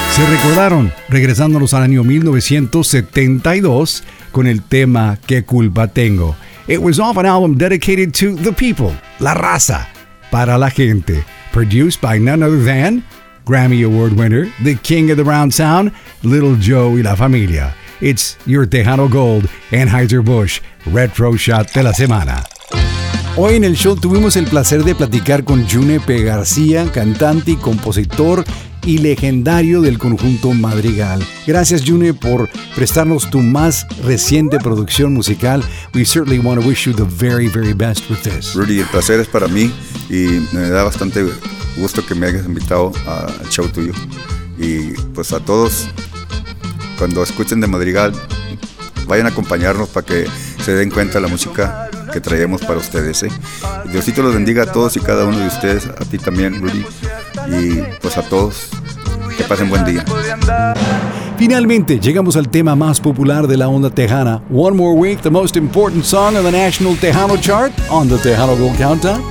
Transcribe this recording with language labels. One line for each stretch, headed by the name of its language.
Spanish: Recordaron, regresándonos al año 1972 con el tema ¿Qué culpa tengo?
English: It was off an album dedicated to the people,
Spanish: la raza, para la gente.
English: Produced by none other than Grammy Award winner, the king of the round sound, Little Joe y la familia. It's your Tejano Gold, Anheuser-Busch, Retro Shot
Spanish: de la Semana. Hoy en el show tuvimos el placer de platicar con Junepe García, cantante y compositor y legendario del conjunto Madrigal. Gracias, June, por prestarnos tu más reciente producción musical.
English: We certainly want to wish you the very, very best with this.
Spanish: Rudy, el placer es para mí y me da bastante gusto que me hayas invitado al show tuyo. Y pues a todos, cuando escuchen de Madrigal, vayan a acompañarnos para que se den cuenta de la música que traemos para ustedes, ¿eh? Diosito los bendiga a todos y cada uno de ustedes, a ti también, Rudy, y pues a todos, que pasen buen día. Finalmente, llegamos al tema más popular de la onda tejana.
English: One more week, the most important song on the National Tejano Chart on the Tejano Gold Countdown.